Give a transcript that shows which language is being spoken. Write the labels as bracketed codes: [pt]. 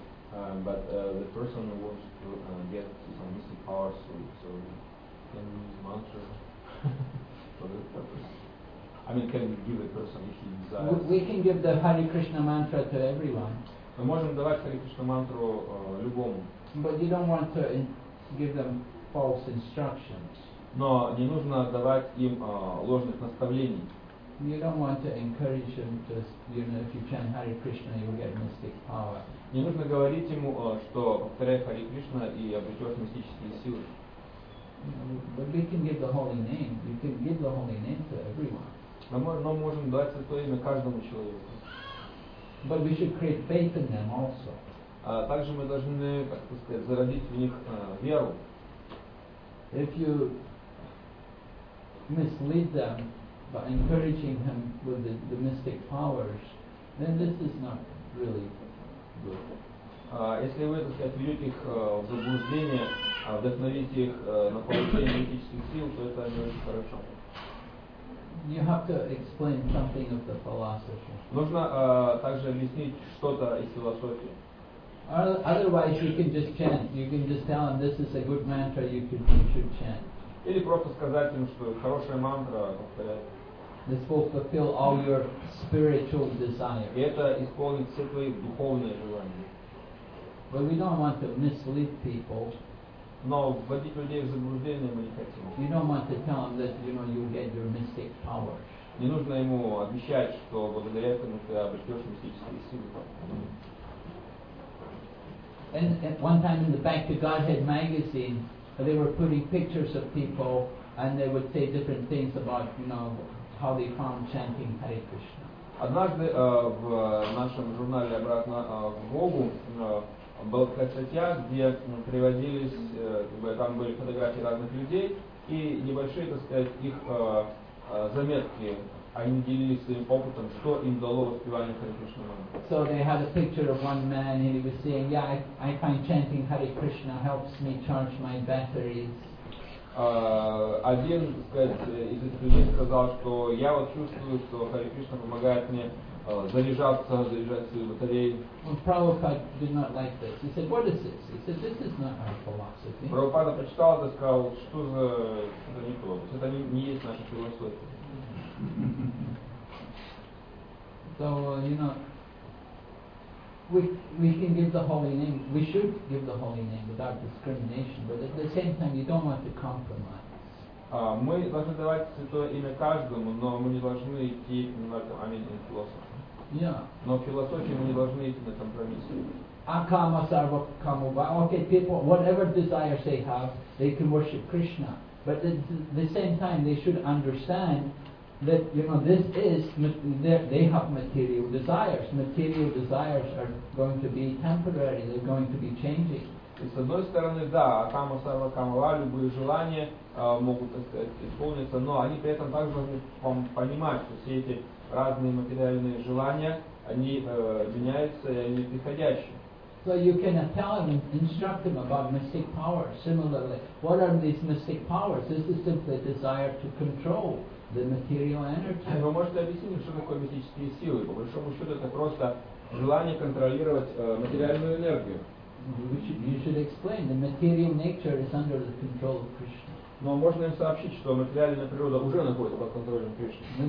[en] The person wants to get some mystic power, so can we use mantra for that purpose? I mean, can we give a person if he desires? We can give the Hare Krishna mantra to everyone. [ru] Мы можем давать Hare Krishna мантру любому. [en] But you don't want to give them false instructions. [ru] Но не нужно давать им ложных наставлений. [en] You don't want to encourage them to, you know, if you chant Hare Krishna, you will get mystic power. [ru] Не нужно говорить ему, что повторяй Хари Кришна и обретешь мистические силы. [en] But we can give the holy name. You can give the holy name to everyone. [ru] Но мы можем дать святое имя каждому человеку. [en] But we should create faith in them also. [ru] Также мы должны, как бы сказать, зародить в них веру. [en] If you mislead them by encouraging him with the mystic powers, then this is not really good. [ru] Если вы, так сказать, ведете их в заблуждение, вдохновите их на получение мистических сил, то это не очень хорошо. [en] You have to explain something of the philosophy. [ru] Нужно также объяснить что-то из философии. [en] Otherwise, you can just chant. You can just tell him this is a good mantra. You should chant. [ru] Или просто сказать им, что хорошая мантра повторяет. [en] This will fulfill all your spiritual desires. [ru] И это исполнит все твои духовные желания. [en] But we don't want to mislead people. [ru] Но вводить людей в заблуждение мы не хотим. [en] You don't want to tell them that you know you'll get your mystic power. [ru] Не нужно ему обещать, что благодаря этому ты обретешь мистические силы. [en] And at one time in the back of Godhead magazine, they were putting pictures of people, and they would say different things about, you know, how they found chanting Hare Krishna. [ru] Однажды в нашем журнале «Обратно к Богу» была такая статья, где приводились, как бы, там были фотографии разных людей и небольшие, так сказать, их заметки. Они делились своим опытом, что им дало воспевание Харе Кришна Мантры. [en] So they had a picture of one man, and he was saying, yeah, I find chanting Hare Krishna helps me charge my batteries. [ru] Один, так сказать, из этих людей сказал, что я вот чувствую, что Харе Кришна помогает мне заряжать свои батареи. [en] Well, Prabhupada did not like this. He said, what is this? He said, this is not our philosophy. [ru] Прабхупада прочитал это и сказал, что за что-то не то. Это не есть наша философия. [en] So you know, we can give the holy name. We should give the holy name without discrimination. But at the same time, you don't want to compromise. [ru] Мы должны давать святое имя каждому, но мы не должны идти на компромисс. [en] Yeah. [ru] Но в философии мы не должны идти на компромисс. [sa] Akama sarva kamuva. [en] Okay, people, whatever desires they have, they can worship Krishna. But at the same time, they should understand that, you know, this is, they have material desires. Material desires are going to be temporary, they're going to be changing. [ru] И с одной стороны, да, кама сарва камала, любые желания могут, так сказать, исполниться, но они при этом также должны понимать, что все эти разные материальные желания, они меняются, и они приходящие. [en] So you can tell him and instruct him about mystic powers. Similarly, what are these mystic powers? This is simply a desire to control the material energy. [ru] Вы можете объяснить, что такое мистические силы? По большому счету, это просто желание контролировать материальную энергию. [en] You should explain the material nature is under the control of Krishna. [ru] Но можно им сообщить, что материальная природа уже находится под контролем Кришны.